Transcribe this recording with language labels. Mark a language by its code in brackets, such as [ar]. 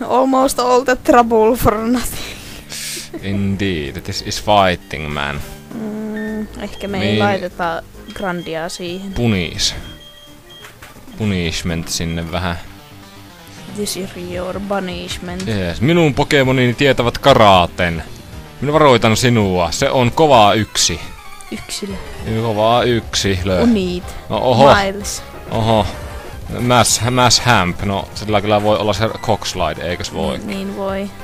[en] Almost all the trouble for nothing. Indeed. This is fighting, man. [fi] Ehkä me ei laiteta Grandia siihen. Punis. Punishment sinne vähän. [en] This is your punishment. Yes. [fi] Minun Pokemonini tietävät karaten. Minä varoitan sinua. Se on kova yksi. Yksilö. Kova yksi. [en] Unit. [fi] No, oho. [en] Miles. Oho. Mass Hamp. [fi] No, sillä kyllä voi olla se Cockslide, eikös voi? Niin voi.